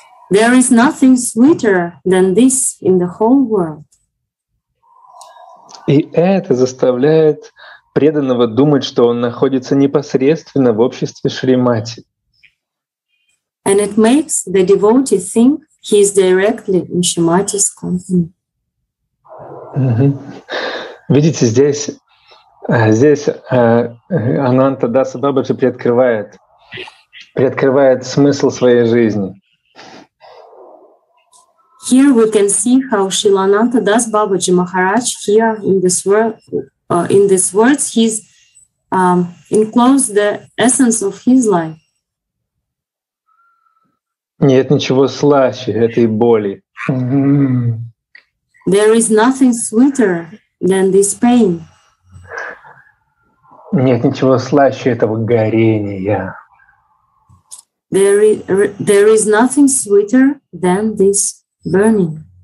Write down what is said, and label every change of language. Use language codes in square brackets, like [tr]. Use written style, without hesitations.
[en] There is nothing sweeter than this in the whole world. [ru] И это заставляет преданного думать, что он находится непосредственно в обществе Шримати. [en] And it makes the devotee think he is directly in Shrimati's company. [ru] Видите, здесь Ананта Даса Бабаджи приоткрывает смысл своей жизни. [en] Here we can see how Srila Ananta Das Babaji Maharaj here in these words he's enclosed the essence of his life. [ru] Нет ничего слаще этой боли. [en] There is nothing sweeter than this pain. [ru] Нет ничего слаще этого горения. [en] There is nothing sweeter than this burning.